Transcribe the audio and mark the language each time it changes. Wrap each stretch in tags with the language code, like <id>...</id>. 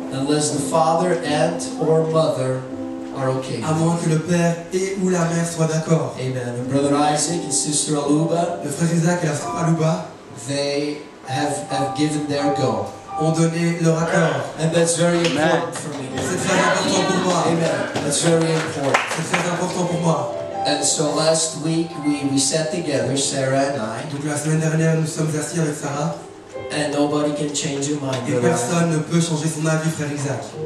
<en>unless the father, aunt, or mother are okay.</en> <fr>À moins que le père et ou la mère soient d'accord.</fr> <en>Amen. And brother Isaac and sister Aluba,</en> <fr>le frère Isaac et la sœur Aluba,</fr> <en>they have given their go.</en> <fr>Ont donné leur accord.</fr> <en>And that's very important for me.</en> <fr>C'est très important pour moi.</fr> <en>Amen. That's very important.</en> <fr>C'est très important pour moi.</fr> <en>And so last week we sat together, Sarah and I.</en> <fr>Donc la semaine dernière nous sommes assis avec Sarah.</fr> <en>And nobody can change her mind.</en> <fr>Et personne ne peut changer son avis, frère Isaac.</fr>